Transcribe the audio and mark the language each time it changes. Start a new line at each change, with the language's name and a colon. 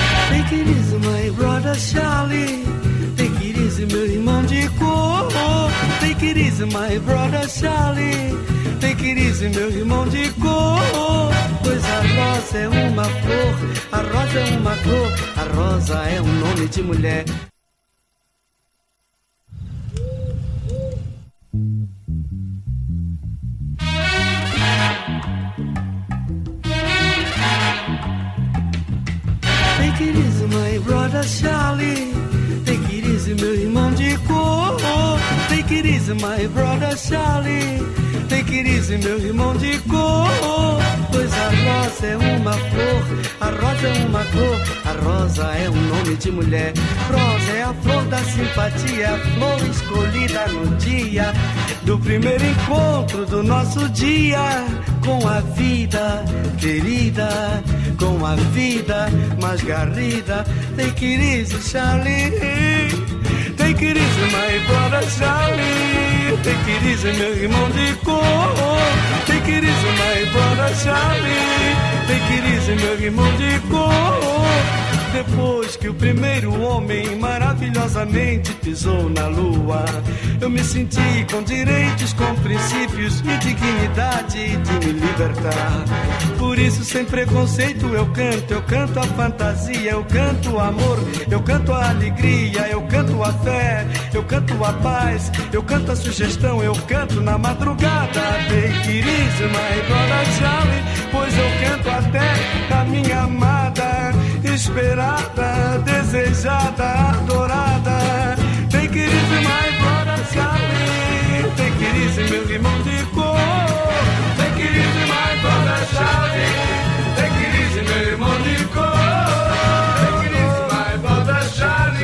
English: Take it easy, my brother Charlie. Take it easy,
Portuguese: meu irmão de cor.
English: Take it easy, my brother Charlie. Take it easy,
Portuguese: meu irmão de cor. Pois a rosa é uma flor, a rosa é uma cor, a rosa é um nome de mulher.
English: Take it easy, my brother Charlie. Take it easy,
Portuguese: meu irmão de cor.
English: Take it easy, my brother Charlie. Take it easy,
Portuguese: meu irmão de cor. Pois a rosa é uma flor, a rosa é uma cor, a rosa é um nome de mulher. Rosa é a flor da simpatia, a flor escolhida no dia do primeiro encontro do nosso dia com a vida querida, com a vida mais garrida.
English: Take it easy, Charlie. Take it easy, my brother Charlie. Take it easy,
Portuguese: meu irmão de cor.
English: Take it easy, my brother Charlie. Take it easy,
Portuguese: meu irmão de cor. Depois que o primeiro homem maravilhosamente pisou na lua, eu me senti com direitos, com princípios e dignidade de me libertar. Por isso, sem preconceito, eu canto a fantasia, eu canto o amor, eu canto a alegria, eu canto a fé, eu canto a paz, eu canto a sugestão, eu canto na madrugada.
English: Take it easy, my brother Charlie,
Portuguese: pois eu canto até a minha amada, esperada, desejada, adorada.
English: Take it easy, my brother Charlie. Take it easy,
Portuguese: meu irmão de cor.
English: Take it easy, my brother Charlie. Take it easy,
Portuguese: meu irmão de cor.
English: Take it easy, my brother Charlie.